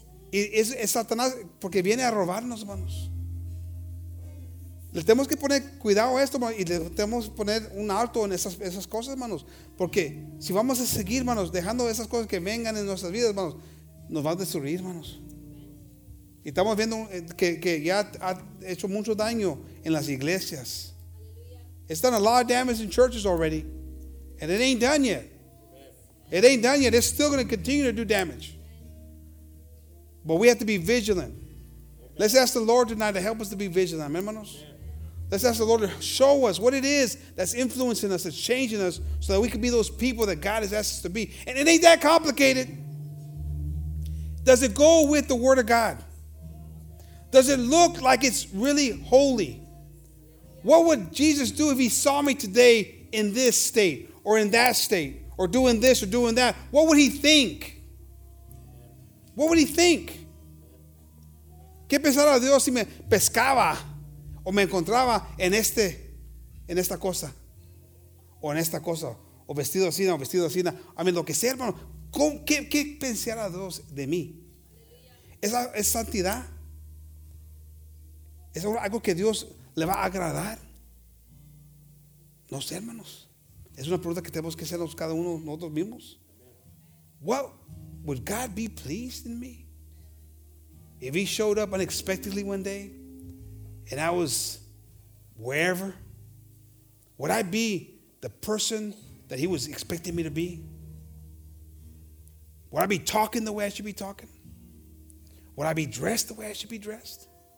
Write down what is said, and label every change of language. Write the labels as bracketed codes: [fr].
[es] Y es Satanás porque viene a robarnos, hermanos. Le tenemos que poner cuidado a esto, hermanos, y le tenemos que poner un alto en esas cosas, hermanos. Porque si vamos a seguir, hermanos, dejando esas cosas que vengan en nuestras vidas, hermanos, nos van a destruir, hermanos. Y estamos viendo que ya ha hecho mucho daño en las iglesias. [en] It's done a lot of damage in churches already. And it ain't done yet. It ain't done yet. It's still going to continue to do damage. But we have to be vigilant. Let's ask the Lord tonight to help us to be vigilant. Amen, hermanos? Let's ask the Lord to show us what it is that's influencing us, that's changing us, so that we can be those people that God has asked us to be. And it ain't that complicated. Does it go with the Word of God? Does it look like it's really holy? What would Jesus do if he saw me today in this state or in that state or doing this or doing that? What would he think? What would he think? [es] ¿Qué pensará Dios si me pescaba o me encontraba en esta cosa? O en esta cosa. O vestido así, o vestido así. A mí, lo que sea, hermano. ¿Qué pensará Dios de mí? Es santidad. Es algo que Dios le va a agradar. No sé, hermanos. Es una pregunta que tenemos que hacernos cada uno nosotros mismos. [en] Well, would God be pleased in me? If he showed up unexpectedly one day and I was wherever, would I be the person that he was expecting me to be? Would I be talking the way I should be talking? Would I be dressed the way I should be dressed?